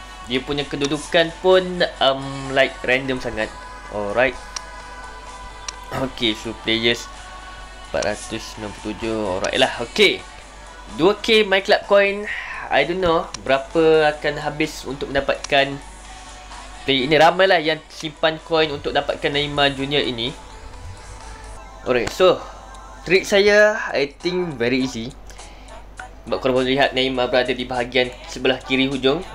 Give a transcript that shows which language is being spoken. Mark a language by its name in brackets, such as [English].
[Malay] Dia punya kedudukan pun like random sangat. Alright. [English] Okey, so players 467. Alright lah. Okay, 2k my club coin. I don't know [Malay] berapa akan habis untuk mendapatkan player ini. Ramailah yang simpan coin untuk dapatkan Neymar Junior ini. [English] Alright, so trick saya I think very easy. [Malay] Sebab korang boleh lihat Neymar berada di bahagian sebelah kiri hujung.